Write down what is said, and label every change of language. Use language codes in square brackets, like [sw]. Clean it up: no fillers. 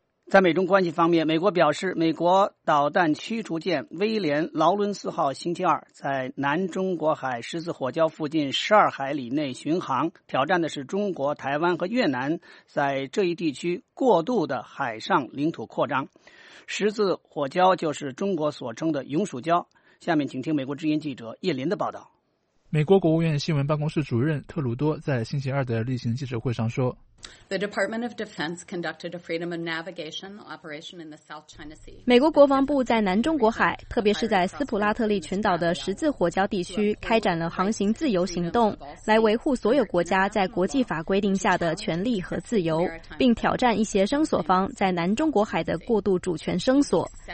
[zh] 在美中关系方面，美国表示，美国导弹驱逐舰威廉·劳伦斯号星期二在南中国海十字火礁附近12海里内巡航，挑战的是中国、台湾和越南在这一地区过度的海上领土扩张。十字火礁就是中国所称的永暑礁。下面请听美国之音记者叶林的报道。美国国务院新闻办公室主任特鲁多在星期二的例行记者会上说， [en] The Department of Defense conducted a freedom of navigation operation in the South China Sea. [zh] 美国国防部在南中国海，特别是在斯普拉特利群岛的十字火礁地区开展了航行自由行动，来维护所有国家在国际法规定下的权利和自由，并挑战一些声索方在南中国海的过度主权声索。